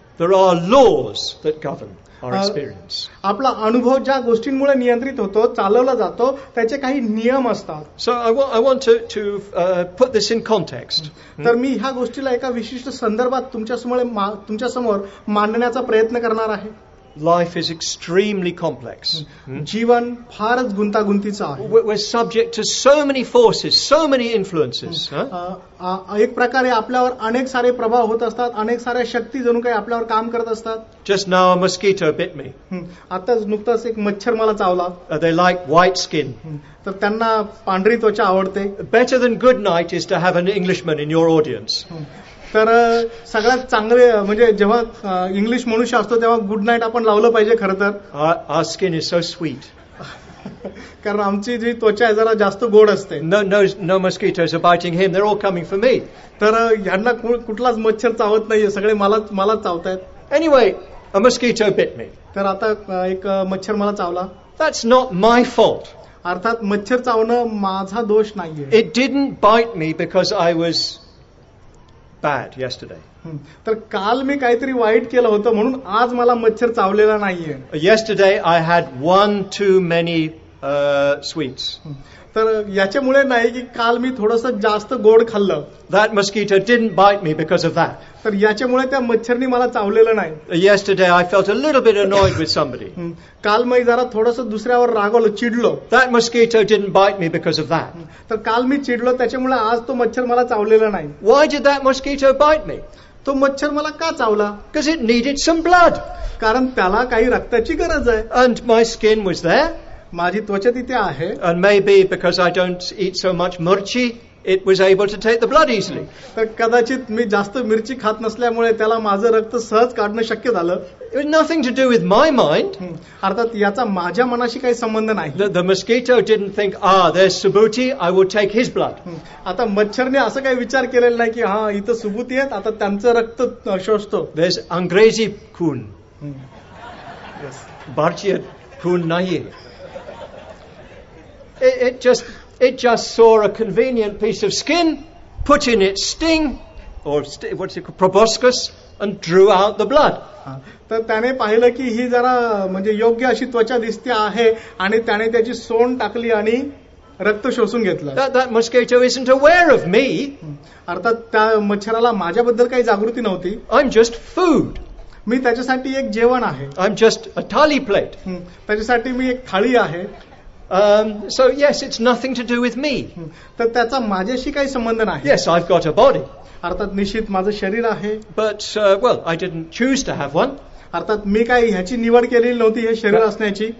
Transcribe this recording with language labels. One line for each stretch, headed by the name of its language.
English: There are laws that govern our experience.
Marathi: आपला अनुभव ज्या गोष्टींमुळे नियंत्रित होतो, चालवला जातो, त्याचे काही नियम असतात.
English: So I want to put this in context.
Marathi: तर मी ह्या गोष्टीला एका विशिष्ट संदर्भात तुमच्यासमोर मांडण्याचा प्रयत्न करणार आहे.
English: Life is extremely complex.
Marathi: जीवन फारच गुंतागुंतीचं आहे.
English: We're subject to so many forces, so many influences.
Marathi: एक प्रकारे आपल्यावर अनेक सारे प्रभाव होत असतात, अनेक साऱ्या शक्ती जणू काही आपल्यावर काम करत असतात.
English: Just now a mosquito bit me.
Marathi: आताच नुकताच एक मच्छर मला चावला.
English: They like white skin.
Marathi: तर त्यांना पांढरी त्वचा आवडते.
English: Better than good night is to have an Englishman in your audience.
Marathi: तर सगळ्यात चांगले म्हणजे जेव्हा इंग्लिश मनुष्य असतो तेव्हा गुड नाईट आपण लावलं पाहिजे. खरं तर
English: Our skin is so sweet.
Marathi: कारण आमची जी त्वचा आहे जरा जास्त गोड असते.
English: No mosquitoes are biting him, they are all coming for me.
Marathi: तर यांना कुठलाच मच्छर चावत नाहीये, सगळे मलाच चावतायत.
English: Anyway a mosquito bit me.
Marathi: तर आता एक मच्छर मला चावला.
English: That's not my fault.
Marathi: अर्थात मच्छर चावणं माझा दोष नाहीये.
English: It didn't bite me because I was bad yesterday.
Marathi: तर काल मी काहीतरी वाईट केलं होतं म्हणून आज मला मच्छर चावलेला नाहीये.
English: Yesterday I had one too many sweets.
Marathi: तर याच्यामुळे नाही की काल मी थोडस जास्त गोड खाल्लं.
English: That mosquito didn't bite me because of that.
Marathi: तर याच्यामुळे त्या मच्छरने मला चावलेलं नाही.
English: Yesterday I felt a little bit annoyed with somebody.
Marathi: काल मी जरा थोडस दुसऱ्यावर रागवलं, चिडलो.
English: That mosquito didn't bite me because of that.
Marathi: तर काल मी चिडलो त्याच्यामुळे आज तो मच्छर मला चावलेला नाही.
English: Why did that mosquito bite me?
Marathi: तो मच्छर मला का चावला?
English: Because it needed some blood.
Marathi: कारण त्याला काही रक्ताची गरज आहे.
English: And my skin was there.
Marathi: माझी त्वचा तिथे आहे.
English: And maybe because I don't eat so much mirchi, it was able to take the blood easily.
Marathi: तर कदाचित मी जास्त मिरची खात नसल्यामुळे त्याला माझं रक्त सहज काढणं शक्य झालं.
English: It had nothing to do with my mind.
Marathi: अर्थात याचा माझ्या मनाशी काही संबंध नाही.
English: The mosquito didn't think, ah, there's Subhuti, I will take his blood.
Marathi: आता मच्छरने असं काही विचार केलेला नाही की हा इथं सुभूती आहेत, आता त्यांचं रक्त शोषतो.
English: There's
Hindi: angrezi khun.
Marathi: भारतीय खून नाहीये.
English: It just It just saw a convenient piece of skin, put in its sting, or what's it called, proboscis, and drew out the blood.
Marathi: तर त्याने पाहिलं की ही जरा म्हणजे योग्य अशी त्वचा दिसते आहे आणि त्याने त्याची सोंड टाकली आणि रक्त शोषून घेतलं. अर्थात त्या मच्छराला माझ्याबद्दल काही जागृती नव्हती.
English: I am just food.
Marathi: मी त्याच्यासाठी एक जेवण आहे.
English: I am just a thali plate.
Marathi: त्याच्यासाठी मी एक थाळी आहे.
English: So yes, it's nothing to do with me.
Marathi: तर त्याचा माझ्याशी काही संबंध नाही.
English: Yes, I've got a body.
Marathi: अर्थात निश्चित माझं शरीर आहे.
English: But well, I didn't choose to have one.
Marathi: अर्थात मी काही ह्याची निवड केलेली नव्हती हे शरीर असण्याची.